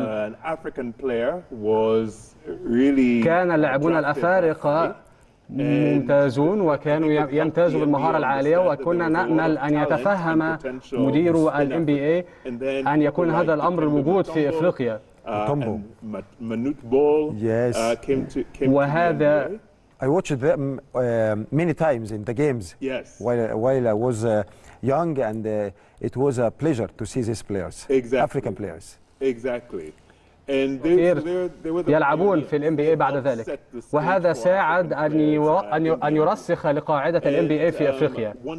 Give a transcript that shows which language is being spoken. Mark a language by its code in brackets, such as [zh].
[en] An African player was really. [ar] كان اللاعبون الأفارقة ممتازون وكانوا يمتازوا بالمهارة العالية، وكنا نأمل أن يتفهم مدير الـ NBA أن يكون هذا الأمر موجود في أفريقيا. تومبو. مانوت بول. [en] Yes. [ar] وهذا. [en] I watched them many times in the games. Yes. While I was young, and it was a pleasure to see these players, exactly. African players. Exactly. And they were the [ar] يلعبون في الام بي اي بعد ذلك، وهذا ساعد ان يرسخ لقاعده الام بي اي في افريقيا.